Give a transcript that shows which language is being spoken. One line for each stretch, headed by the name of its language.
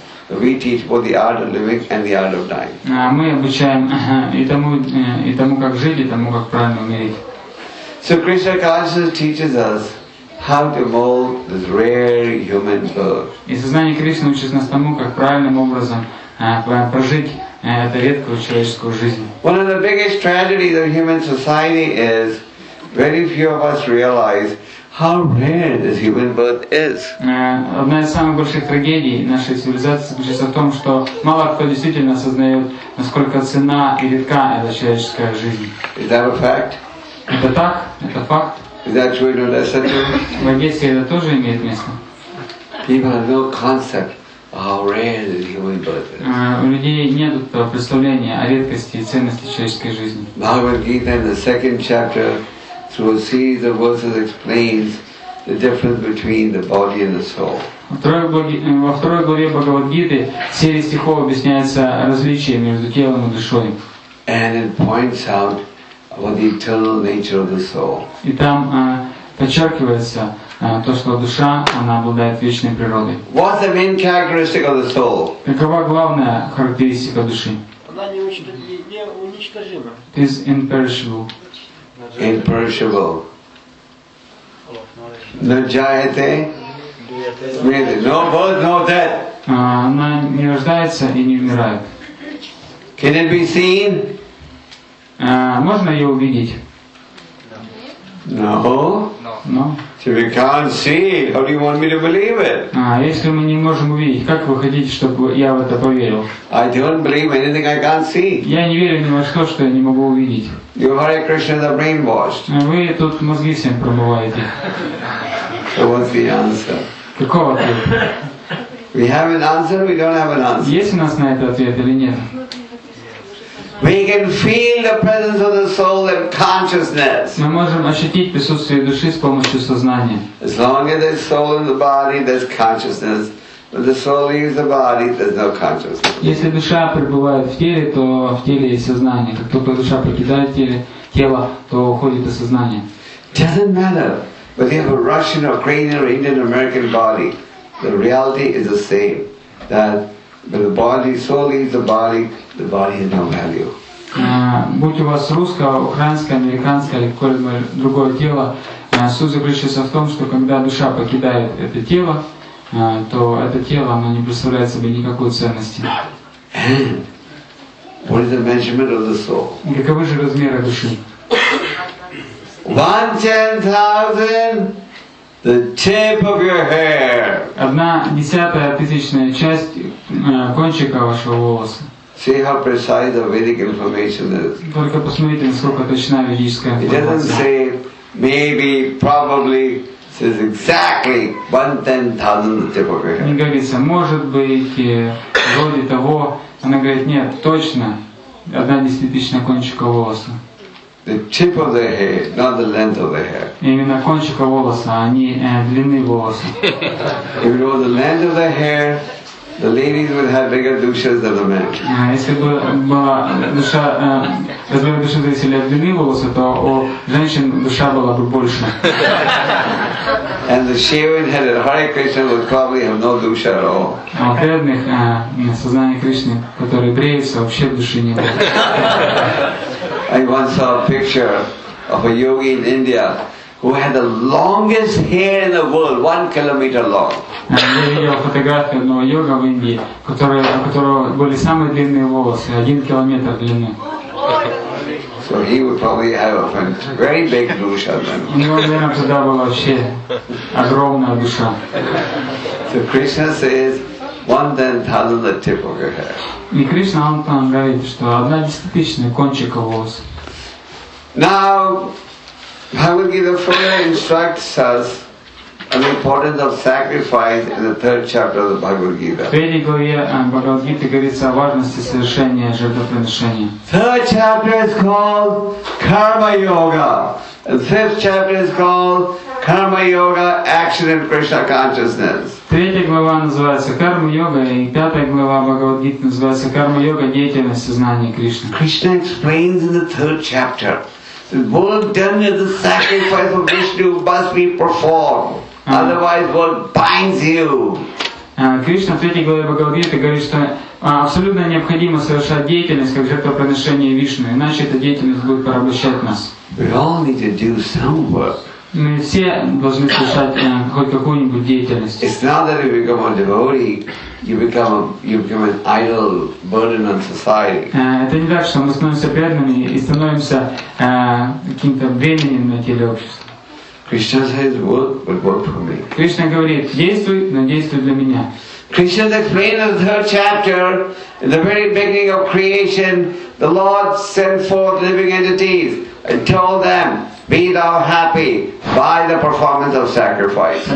English: We teach both the art of living and the art of dying.
Russian: Мы обучаем и тому, как жить, и тому, как правильно умереть.
English: So Krishna consciousness teaches us how to evolve this rare human birth.
Russian: И сознание Кришны учит нас тому, как правильным образом прожить эту редкую человеческую жизнь.
English: One of the biggest tragedies of human society is very few of us realize how rare this human birth is.
Russian: Одна из самых больших трагедий нашей цивилизации заключается в том, что мало кто действительно осознает, насколько цена и редка эта человеческая жизнь.
English: Is that a fact?
Russian: Это так? Это факт?
English: Is that true in Odessa too?
Russian: В Одессе это тоже имеет место.
English: People have no concept how rare this human birth is.
Russian: У людей нет представления о редкости и ценности человеческой жизни.
English: Bhagavad Gita in the second chapter through a series of verses explains the difference between the body and the soul.
Russian: Во второй главе Бхагавад-гиты серия стихов объясняется различие между телом и душой.
English: And it points out about the eternal nature of the soul.
Russian: И там подчеркивается то, что душа, она обладает вечной природой.
English: What's the main characteristic of the soul?
Russian: Какова главная характеристика души? Она неуничтожима.
English: It is imperishable. Imperishable. No jayate. No birth, no death.
Russian: Она не рождается и не умирает.
English: Can it be seen?
Russian: Можно ее увидеть?
English: No. No. No. So we can't see it. How do you want me to believe it?
Russian: Если мы не можем увидеть, как вы хотите, чтобы я в это поверил?
English: I don't believe anything I can't see.
Russian: Я не верю ни во что, что я не могу увидеть.
English: You Hare Krishna the brainwashed.
Russian: Вы тут мозги всем промываете.
English: So what's the answer?
Russian: Какого ответ?
English: We have an answer, we don't have an answer.
Russian: Есть у нас на это ответ или нет?
English: We can feel the presence of the soul in consciousness.
Russian: Мы можем ощутить присутствие души с помощью сознания.
English: As long as there's soul in the body, there's consciousness. But the soul leaves the body, there's no consciousness.
Russian: Если душа пребывает в теле, то в теле есть сознание. Как только душа покидает тело, то уходит и сознание.
English: Doesn't matter whether you have a Russian, or Ukrainian, or Indian, or American body. The reality is the same. That when the body, soul leaves the body, the body has no value.
Russian: Будь у вас русское, украинское, американское или какое-либо другое тело, суть заключается в том, что когда душа покидает это тело, то это тело, оно не представляет собой никакой ценности.
English: And what is the measurement of the soul?
Russian: Каковы же размеры души?
English: 1/10,000, the tip of your hair.
Russian: 1/10,000 часть кончика вашего волоса.
English: See how precise the Vedic information is.
Russian: Только посмотрите, насколько точна ведическая информация.
English: It doesn't say maybe, probably. Says exactly 1/10,000 the tip of your hair.
Russian: Не говорится, может быть, вроде того. Она говорит, нет, точно, 1/10,000 кончика волоса.
English: The tip of the hair, not the length of the hair.
Russian: Именно кончика волоса, а не длины волоса.
English: If it was the length of the hair, the ladies would have bigger dushas than the men.
Russian: Если бы была душа, размер души зависели от длины волоса, то у женщин душа была бы больше.
English: And the shaved-headed Hare Krishna would probably have no dusha at all.
Russian: А у бедных сознание Кришны, которые бреются, вообще души не было.
English: I once saw a picture of a yogi in India who had the longest hair in the world, 1 kilometer long.
Russian: Я видел фотографию одного йога в Индии, у которого были самые длинные волосы, 1 километр длины.
English: So he would probably have a very big dusha then.
Russian: У него, наверное, тогда была вообще огромная душа.
English: So Krishna says, 1/10,000 the tip of your hair.
Russian: И Кришна, он там говорит, что 1/10,000 кончика волос.
English: Now, Bhagavad Gita further instructs us on the importance of sacrifice in the third chapter of the Bhagavad Gita.
Russian: В третьей главе Бхагавад Гиты говорится о важности совершения жертвоприношения.
English: Third chapter is called Karma Yoga. And fifth chapter is called Karma Yoga, Action in Krishna Consciousness.
Russian: Третья глава называется Карма Йога, и пятая глава Бхагавад Гиты называется Карма Йога, деятельность сознания Кришны.
English: Krishna explains in the third chapter. Work done as a sacrifice of Vishnu must be performed, otherwise work binds you.
Russian: Кришна в 3 главе Бхагавад-гиты говорит, что абсолютно необходимо совершать деятельность как жертвоприношение Вишны, иначе эта деятельность будет порабощать нас. Мы все должны совершать хоть какую-нибудь деятельность.
English: It's not that if you become a devotee, you become an idle burden on society.
Russian: Это не так, что мы становимся преданными и становимся каким-то бременем на теле общества.
English: Krishna says, "Work, but work for me."
Russian: Кришна говорит, действуй, но действуй для меня.
English: Krishna explained in the 3rd chapter, in the very beginning of creation, the Lord sent forth living entities and told them, "Be thou happy by the performance of sacrifice."